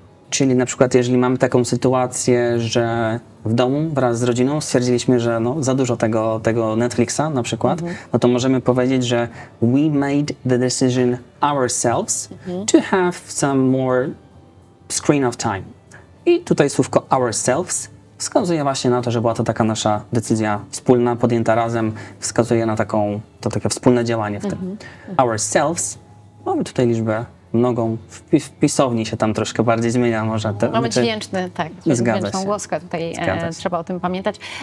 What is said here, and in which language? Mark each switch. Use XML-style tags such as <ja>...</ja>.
<pl>Czyli na przykład, jeżeli mamy taką sytuację, że w domu wraz z rodziną stwierdziliśmy, że no, za dużo tego Netflixa na przykład, mm-hmm. no to możemy powiedzieć, że</pl> <en>we made the decision ourselves</en> <pl>mm-hmm.</pl> <en>to have some more screen of time.</en> <pl>I tutaj słówko ourselves wskazuje właśnie na to, że była to taka nasza decyzja wspólna, podjęta razem, wskazuje na taką, to takie wspólne działanie w tym. Mm-hmm. Ourselves, mamy tutaj liczbę mnogą, w pisowni się tam troszkę bardziej zmienia, może. Te, mamy dźwięczny, tak, dźwięczną głoskę tutaj, trzeba o tym pamiętać.</pl>